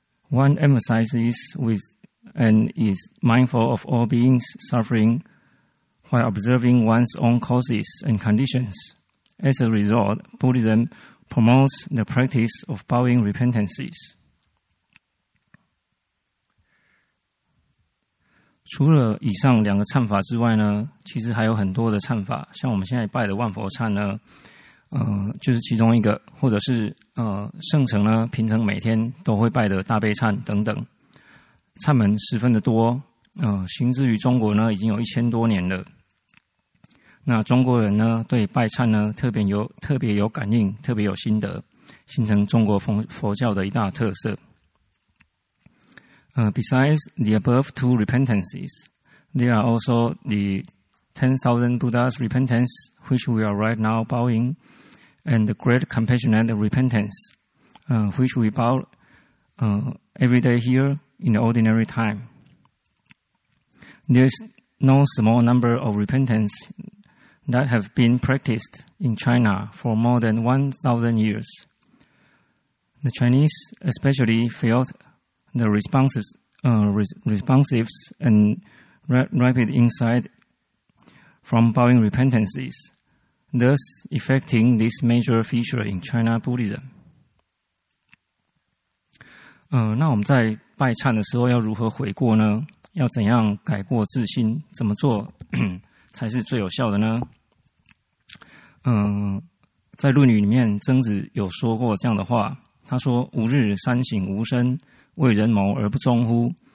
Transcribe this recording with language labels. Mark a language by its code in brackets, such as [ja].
[en] One emphasizes with and is mindful of all beings suffering while observing one's own causes and conditions. As a result, Buddhism promotes the practice of bowing repentances. [zh] 除了以上两个忏法之外呢，其实还有很多的忏法，像我们现在拜的万佛忏呢，就是其中一个，或者是圣城呢，平常每天都会拜的大悲忏等等，忏门十分的多，行之于中国呢，已经有1000多年了。那中国人呢，对拜忏呢，特别有感应，特别有心得，形成中国佛教的一大特色。 [en] Besides the above two repentances, there are also the 10,000 Buddha's repentance, which we are right now bowing, and the great compassionate repentance, which we bow every day here in the ordinary time. There is no small number of repentance that have been practiced in China for more than 1,000 years. The Chinese especially feltThe responsives and rapid insight from bowing repentances, thus effecting this major feature in China Buddhism. [zh] 那我们在拜忏的时候要如何悔过呢？要怎样改过自新？怎么做才是最有效的呢？在论语里面，曾子有说过这样的话，他说：吾日三省吾身，为人谋而不忠乎？